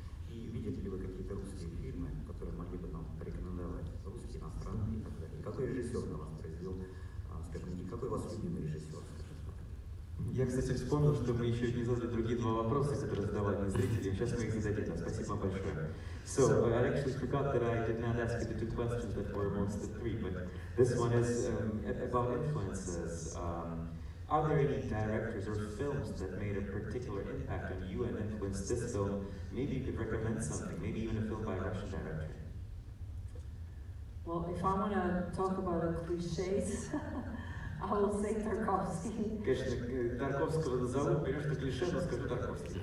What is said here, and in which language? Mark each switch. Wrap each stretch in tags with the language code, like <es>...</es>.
<ru>И видите ли вы какие-то русские фильмы, которые могли бы нам порекомендовать, русские, иностранные и так далее? Какой режиссер на вас произвел, скажем, и какой у вас любимый режиссер, скажем так? Я, кстати, вспомнил, что мы еще не задали другие два вопроса, которые задавали мне зрители. Сейчас мы их зададим. Спасибо вам большое.</ru> <en>So, I actually forgot that I did not ask you the two questions that were amongst the three, but this one is about influences. Are there any directors or films that made a particular impact on you and influenced this film? Maybe you could recommend something, maybe even a film by a Russian director. Well, if I want to talk about the cliches, I will say Tarkovsky.</en> <ru>Конечно, Тарковского назову, берешь клише, но скажу Тарковский.</ru>